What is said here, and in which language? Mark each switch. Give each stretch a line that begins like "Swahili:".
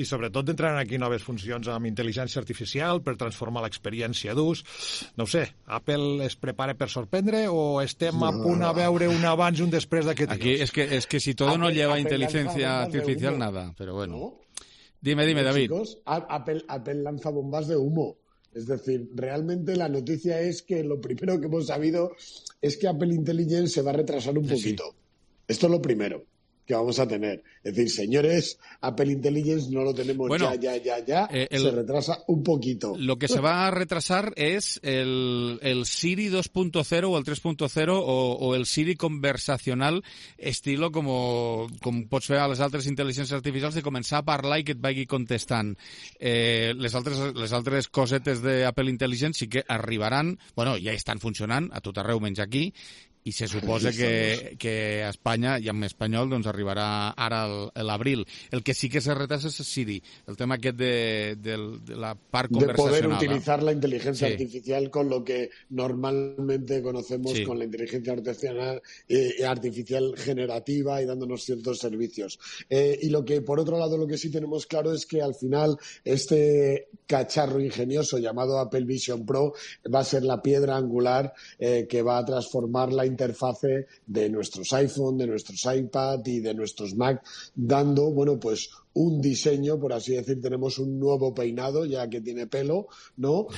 Catalan: I sobretot entraran aquí noves funcions amb intel·ligència artificial per transformar l'experiència d'ús. No ho sé, Apple es prepara per sorprendre o estem a punt a veure un abans i un després d'aquest iOS?
Spanish: És que si todo no lleva intel·ligència artificial, nada.
Catalan: Però bueno... No?
Spanish: Dime,
Catalan: David.
Spanish: Chicos, Apple lanza bombas de humo. Es decir, realmente la noticia es que lo primero que hemos sabido es que Apple Intelligence se va a retrasar un poquito. Sí. Esto es lo primero que vamos a tener. Es decir, señores, Apple Intelligence no lo tenemos ya. Se retrasa un poquito. Lo que se va a retrasar es el Siri 2.0 o el 3.0 o el Siri conversacional, estilo
Catalan: com pots fer a les altres intel·ligències artificials, de començar a parlar i que et vagi contestant. Les altres cosetes d'Apple Intelligence sí que arribaran, bueno, ja estan funcionant a tot arreu, menys aquí, i se suposa que a Espanya, i en espanyol, doncs arribarà ara l'abril. El que sí que
Spanish: se retrasa
Catalan: és Siri, el tema aquest de la part conversacional.
Spanish: De poder utilizar la intel·ligència artificial con lo que normalmente conocemos con la intel·ligència artificial, artificial generativa y dándonos ciertos servicios. Y lo que, por otro lado, lo que sí tenemos claro es que al final este cacharro ingenioso llamado Apple Vision Pro va a ser la piedra angular que va a transformar la interfase de nuestros iPhone, de nuestros iPad y de nuestros Mac, dando, bueno, pues un diseño, por así decir, tenemos un nuevo peinado, ya que tiene pelo, ¿no?